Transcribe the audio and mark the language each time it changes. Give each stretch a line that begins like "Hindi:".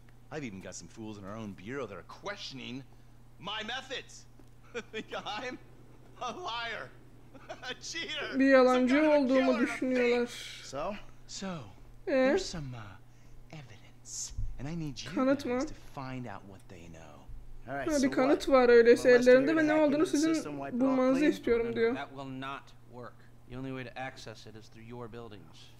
English: I've even got some fools in our own bureau that are questioning my methods. Think I'm a liar, a cheater,
Turkish: bir yalancı olduğumu düşünüyorlar.
English: So, there's some evidence, and I need you guys to find out what they know.
Turkish: Ha, bir kanıt var öyleyse ellerinde ve ne olduğunu sizin bulmanızı istiyorum diyor.
English: That will not work. The only way to access it is through your buildings.